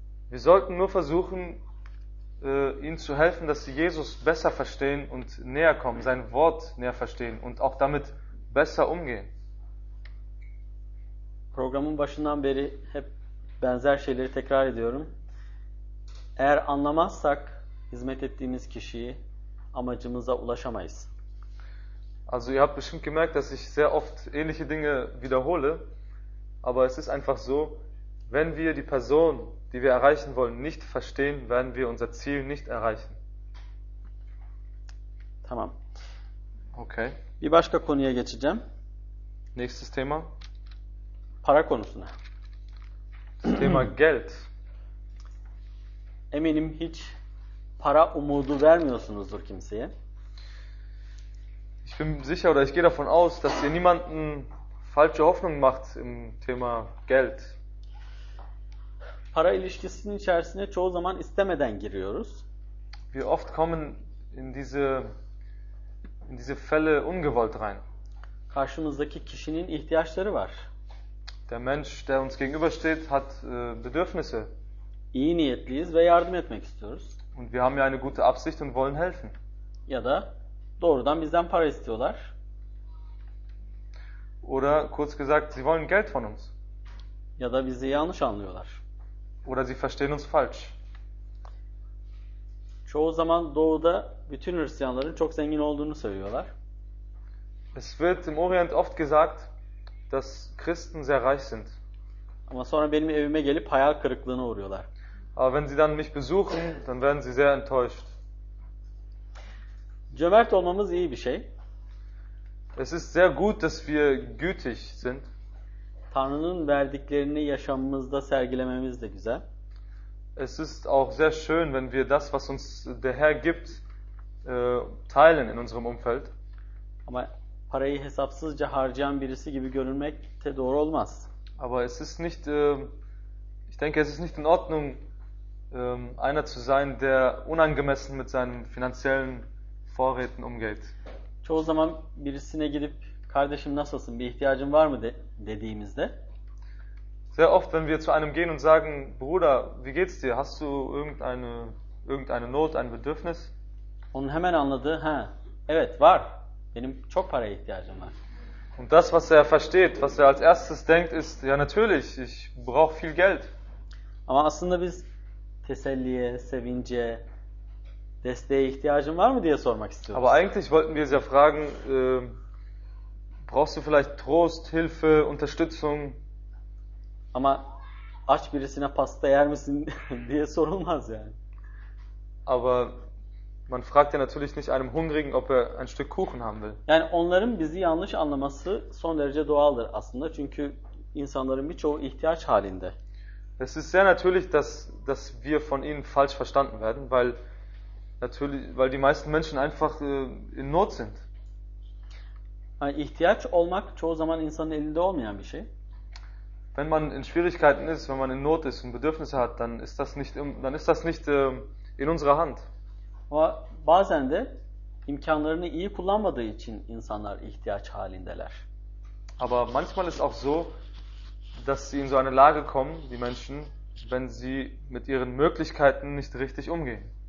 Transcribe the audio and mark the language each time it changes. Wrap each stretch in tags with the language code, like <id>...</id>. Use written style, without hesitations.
<de>Wir sollten nur versuchen, ihnen zu helfen, dass sie Jesus besser verstehen und näher kommen, sein Wort näher verstehen und auch damit besser umgehen.</de> <tr>Programın başından beri hep benzer şeyleri tekrar ediyorum. Eğer anlamazsak hizmet ettiğimiz kişiyi amacımıza ulaşamayız.</tr> <de>Also ihr habt bestimmt gemerkt, dass ich sehr oft ähnliche Dinge wiederhole, aber es ist einfach so, wenn wir die Person, die wir erreichen wollen, nicht verstehen, werden wir unser Ziel nicht erreichen.</de> <tr>Tamam.</tr> <de>Okay.</de> <tr>Bir başka konuya geçeceğim.</tr> <de>Nächstes Thema.</de> <tr>Para konusuna.</tr> <de>Das Thema Geld.</de> <tr>Eminim hiç para umudu vermiyorsunuzdur kimseye.</tr> <de>Ich bin sicher oder ich gehe davon aus, dass ihr niemanden falsche Hoffnung macht im Thema Geld.</de> <tr>Para ilişkisinin içerisine çoğu zaman istemeden giriyoruz.</tr> <de>Wir oft kommen in diese Fälle ungewollt rein.</de> <tr>Karşımızdaki kişinin ihtiyaçları var.</tr> <de>Der Mensch, der uns gegenübersteht, hat Bedürfnisse.</de> <tr>İyi niyetliyiz ve yardım etmek istiyoruz.</tr> <de>Und wir haben ja eine gute Absicht und wollen helfen.</de> <tr>Ya da doğrudan bizden para istiyorlar.</tr> <de>Oder kurz gesagt, sie wollen Geld von uns.</de> <tr>Ya da bizi yanlış anlıyorlar.</tr> <de>Oder sie verstehen uns falsch.</de> <tr>Çoğu zaman doğuda bütün Hristiyanların çok zengin olduğunu söylüyorlar.</tr> <de>Es wird im Orient oft gesagt, dass Christen sehr reich sind.</de> <tr>Ama sonra benim evime gelip hayal kırıklığına uğruyorlar.</tr> <de>Aber wenn sie dann mich besuchen, dann werden sie sehr enttäuscht.</de> <tr>Cömert olmamız iyi bir şey.</tr> <de>Es ist sehr gut, dass wir gütig sind.</de> <tr>Tanrı'nın verdiklerini yaşamımızda sergilememiz de güzel.</tr> <de>Es ist auch sehr schön, wenn wir das, was uns der Herr gibt, teilen in unserem Umfeld.</de> <tr>Ama parayı hesapsızca harcayan birisi gibi görünmek de doğru olmaz.</tr> <de>Aber es ist nicht, ich denke, es ist nicht in Ordnung, einer zu sein, der unangemessen mit seinen finanziellen Vorräten umgeht.</de> <tr>Çoğu zaman birisine gidip kardeşim nasılsın, bir ihtiyacın var mı dediğimizde.</tr> <de>Sehr oft, wenn wir zu einem gehen und sagen, Bruder, wie geht's dir? Hast du irgendeine Not, ein Bedürfnis?</de> <tr>Onun hemen anladığı, ha, evet, var. Benim çok paraya ihtiyacım var.</tr> <de>Und das, was er versteht, was er als erstes denkt, ist, ja natürlich, ich brauche viel Geld.</de> <tr>Ama aslında biz teselliye, sevince, desteğe ihtiyacın var mı diye sormak istiyoruz.</tr> <de>Aber eigentlich wollten wir sie ja fragen, brauchst du vielleicht Trost, Hilfe, Unterstützung?</de> <tr>Ama aç birisine pasta yer misin diye sorulmaz yani.</tr> <de>Aber man fragt ja natürlich nicht einem Hungrigen, ob er ein Stück Kuchen haben will.</de> <tr>Yani onların bizi yanlış anlaması son derece doğaldır aslında. Çünkü insanların birçoğu ihtiyaç halinde.</tr> <de>Es ist sehr natürlich, dass wir von ihnen falsch verstanden werden, weil die meisten Menschen einfach in Not sind.</de> <tr>Yani ihtiyaç olmak çoğu zaman insanın elinde olmayan bir şey.</tr> <de>Wenn man in Schwierigkeiten ist, wenn man in Not ist und Bedürfnisse hat, dann ist das nicht in unserer Hand. Aber</de> <tr>bazen de imkanlarını iyi kullanmadığı için insanlar ihtiyaç halindeler.</tr> <de>Aber manchmal ist auch so, dass sie in so eine Lage kommen, die Menschen, wenn sie mit ihren Möglichkeiten nicht richtig umgehen.</de>